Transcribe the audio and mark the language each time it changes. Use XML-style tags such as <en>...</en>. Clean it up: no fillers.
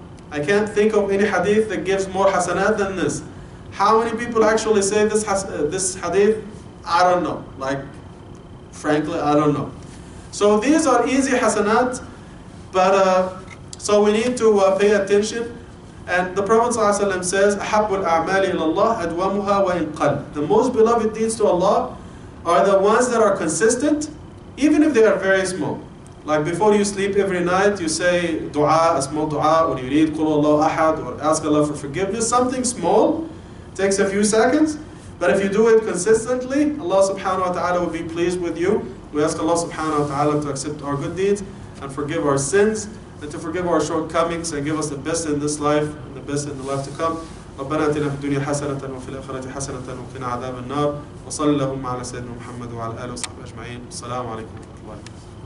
<en>I can't think of any hadith that gives more hasanat than this. How many people actually say this hadith? I don't know. Like, frankly, I don't know. So these are easy hasanat, but so we need to pay attention. And the Prophet ﷺ says,</en> <ar>أَحَبُّ الْأَعْمَالِ إِلَى اللَّهِ أَدْوَمُهَا وَإِنْ قَلْ.</ar> <en>The most beloved deeds to Allah are the ones that are consistent, even if they are very small. Like before you sleep every night, you say dua, a small dua, or you read</en> <ar>قُلُ اللَّهُ أَحَدْ,</ar> <en>or ask Allah for forgiveness, something small, takes a few seconds. But if you do it consistently, Allah subhanahu wa ta'ala will be pleased with you. We ask Allah subhanahu wa ta'ala to accept our good deeds and forgive our sins, and to forgive our shortcomings and give us the best in this life and the best in the life to come.</en> <ar>ربنا آتنا في الدنيا حسنة وفي الآخرة حسنة وقنا عذاب النار وصلى اللهم على سيدنا محمد وعلى آله وصحبه أجمعين. السلام عليكم ورحمة الله.</ar>